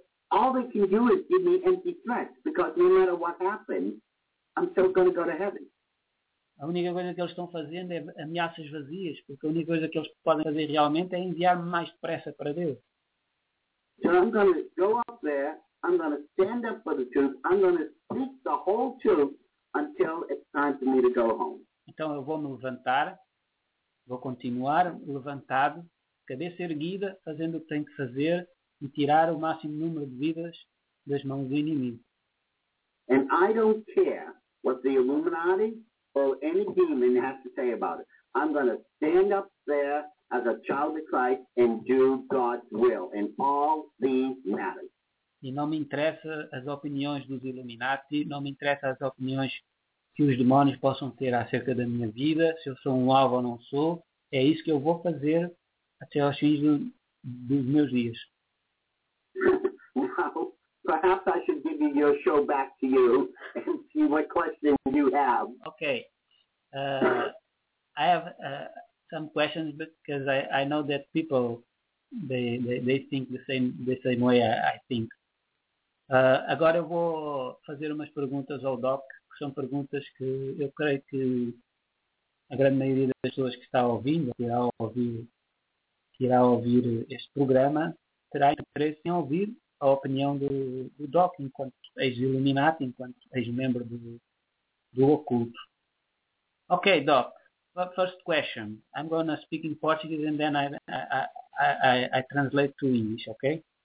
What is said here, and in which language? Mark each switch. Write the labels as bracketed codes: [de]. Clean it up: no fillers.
[en] all they can do is give me empty threats, because no matter what happens, I'm still going to go to heaven. [pt] A única coisa que eles estão fazendo é ameaças vazias, porque a única coisa que eles podem fazer realmente é enviar-me mais depressa para Deus. [en] So I'm going to go up there, I'm going to stand up for the truth, I'm going to speak the whole truth until it's time for me to go home. [pt] Então eu vou me levantar, vou continuar levantado, cabeça erguida, fazendo o que tenho que fazer e tirar o máximo número de vidas das mãos do inimigo. [en] And I don't care what the Illuminati or any demon has to say about it. I'm going to stand up there as a child of Christ and do God's will in all these matters. [pt] E não me interessa as opiniões dos Illuminati, não me interessa as opiniões que os demónios possam ter acerca da minha vida, se eu sou um alvo ou não sou. É isso que eu vou fazer até aos fins dos meus dias. [en] Perhaps I should give your show back to you and see what questions you have. Okay. I have some questions because I know that people they think the same way I think. [pt] Agora eu vou fazer umas perguntas ao Doc, que são perguntas que eu creio que a grande maioria das pessoas que está ouvindo, que irá ouvir este programa, terá interesse em ouvir a opinião do Doc enquanto ex-Illuminati, enquanto ex-membro do Oculto. [en] Okay, Doc, first question. I'm going to speak in Portuguese and then I translate to English, okay?